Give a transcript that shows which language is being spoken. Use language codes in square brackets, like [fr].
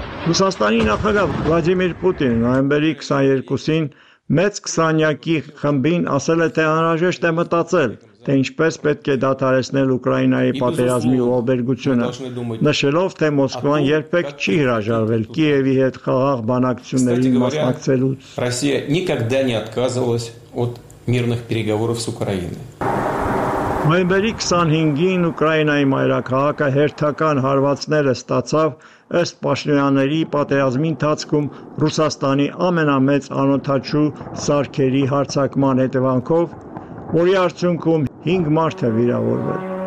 [hy] Ռուսաստանի նախագահ Վլադիմիր Պուտին նոյեմբերի 22-ին մեծ քսանյակի խմբին ասել է, թե անհրաժեշտ է մտածել, թե ինչպես պետք է դադարեցնել Ուկրաինայի պատերազմի ուղեբերգությունը, նշելով, թե Մոսկվան երբեք չի հրաժարվել Կիևի հետ խաղաղ բանակցություններին մասնակցելուց։ [ru] Ռուսիա никогда не отказывалась от мирных переговоров с Украиной։ [hy] Նոյեմբերի 25-ին Ուկրաինայի մայրաքաղաքը հերթական հարվածները ստացավ ըստ Պաշնյանների պատերազմի ընթացքում Ռուսաստանի ամենամեծ անօթաչու սարքերի հարձակման հետևանքով, որի արդյունքում 5 մարդ է վիրավորվել։